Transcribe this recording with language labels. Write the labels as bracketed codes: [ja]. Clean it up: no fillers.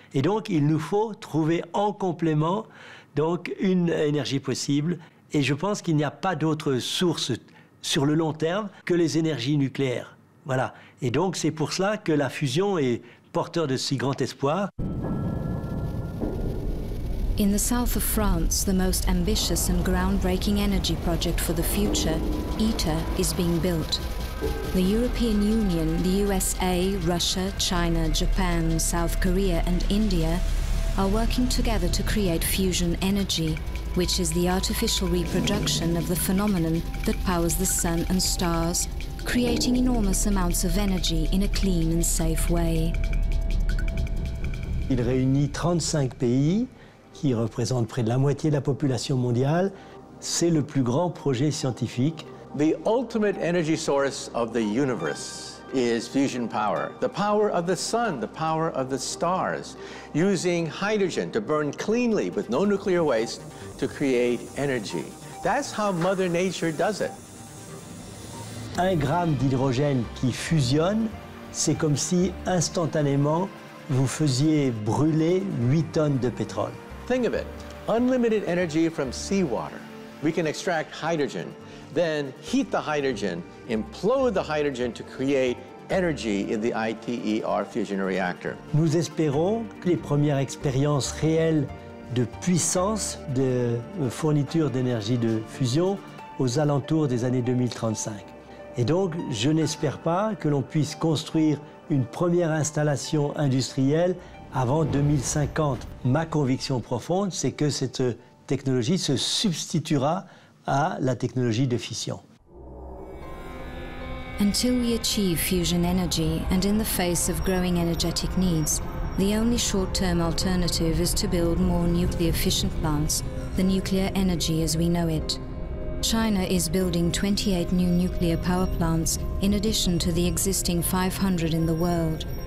[fr] Et donc il nous faut trouver en complément donc, une énergie possible. Et je pense qu'il n'y a pas d'autre source sur le long terme que les énergies nucléaires. Voilà. Et donc, c'est pour cela que la fusion est porteur de si grand espoir. [en] In the south of France, the most ambitious and groundbreaking energy project for the future, ITER, is being built. The European Union, the USA, Russia, China, Japan, South Korea and India are working together to create fusion energy, which is the artificial reproduction of the phenomenon that powers the sun and stars, creating enormous amounts of energy in a clean and safe way. [fr] Il réunit 35 pays qui représentent près de la moitié de la population mondiale. C'est le plus grand projet scientifique. [en] The ultimate energy source of the universe is fusion power. The power of the sun, the power of the stars, using hydrogen to burn cleanly with no nuclear waste to create energy. That's how Mother Nature does it. [fr] Un gramme d'hydrogène qui fusionne, c'est comme si instantanément vous faisiez brûler 8 tonnes de pétrole. [en] Think of it, unlimited energy from seawater. We can extract hydrogen, then heat the hydrogen, implode the hydrogen to create energy in the ITER fusion reactor. [fr] Nous espérons que les premières expériences réelles de puissance de fourniture d'énergie de fusion aux alentours des années 2035. Et donc, je n'espère pas que l'on puisse construire une première installation industrielle avant 2050. Ma conviction profonde, c'est que cette technologie se substituera à la technologie de fission. [en] Until we achieve fusion energy and in the face of growing energetic needs, the only short-term alternative is to build more nuclear-fission plants, the nuclear energy as we know it. China is building 28 new nuclear power plants in addition to the existing 500 in the world.